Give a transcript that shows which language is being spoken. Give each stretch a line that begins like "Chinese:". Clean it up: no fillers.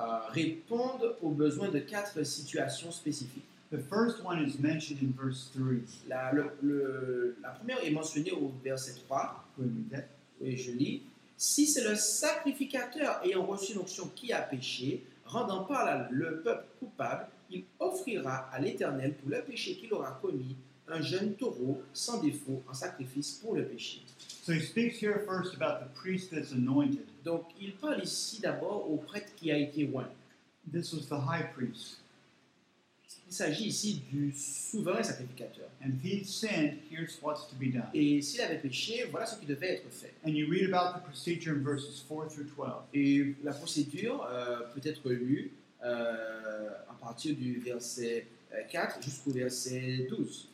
French: Répondent aux besoins de quatre situations spécifiques.
English: The first one is mentioned in verse 3.
French: La première est mentionnée au verset 3. Oui, je lis. Si c'est le sacrificateur ayant reçu l'onction qui a péché, rendant par là le peuple coupable, il offrira à l'Éternel pour le péché qu'il aura commis un jeune taureau sans défaut en sacrifice pour le péché.
English: So he speaks here first about the priest that's anointed.
French: Donc il parle ici d'abord au prêtre qui a été oint.
English: This was the high priest.
French: Il s'agit ici du souverain sacrificateur.
English: And if he sinned, here's what's to be done.
French: Et s'il avait péché, voilà ce qui devait être fait.
English: And you read about the procedure in verses 4 through 12.
French: Et la procédure peut être lue à partir du verset 4 jusqu'au verset 12.